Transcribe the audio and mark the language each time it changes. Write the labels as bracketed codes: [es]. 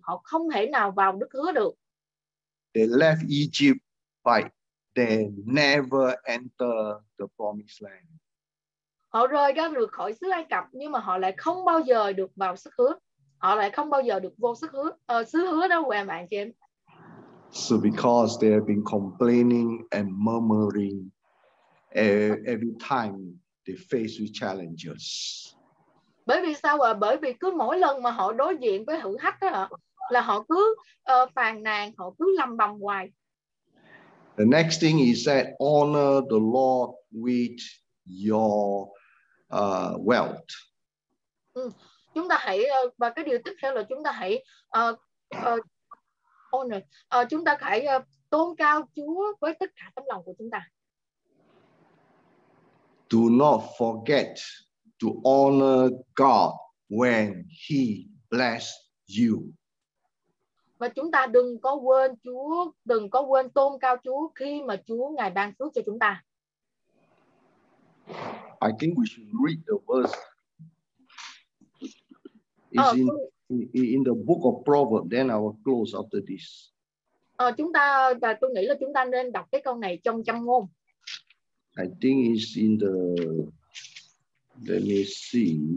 [vi] Họ không thể nào vào đất hứa được. [en] They left Egypt by they never enter the promised land. [vi] họ rơi ra được khỏi xứ Ai Cập nhưng mà họ lại không bao giờ được vào xứ hứa. Họ lại không bao giờ được vô xứ hứa. Xứ hứa đâu quà bạn chị em. [en] So because they have been complaining and murmuring every time they face with challenges. [vi] Bởi vì sao ạ? Bởi vì cứ mỗi lần mà họ đối diện với thử thách đó là họ cứ phàn nàn, họ cứ lầm bầm hoài. [en] The next thing he said, honor the Lord with your wealth. [vi] Chúng ta hãy và cái điều tiếp theo là chúng ta hãy honor. Chúng ta hãy tôn cao Chúa với tất cả tấm lòng của chúng ta. [en] Do not forget to honor God when He bless you. [vi] Và chúng ta đừng có quên Chúa, đừng có quên tôn cao Chúa khi mà Chúa Ngài ban phước cho chúng ta. [en] I think we should read the verse. It's in the book of Proverbs, then I will close after this. [vi] Chúng ta, tôi nghĩ là chúng ta nên đọc cái câu này trong Châm Ngôn. [en] I think it's in the, let me see.